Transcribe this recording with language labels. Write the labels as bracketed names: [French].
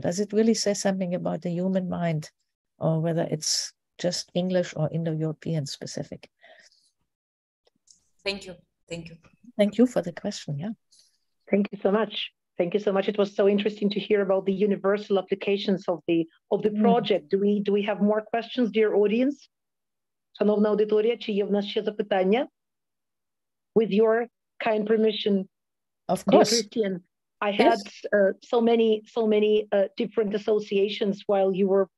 [English] Does it really say something about the human mind, or whether it's just English or Indo-European specific? Thank you. Thank you. Thank you for the question. Yeah. Thank you so much. Thank you so much. It was so interesting to hear about the universal applications of the project. Do we have more questions, dear audience? [Ukrainian] Шановна аудиторія, чи є в нас ще запитання? [English] With your kind permission. Of course. Christian, I had so many different associations while you were.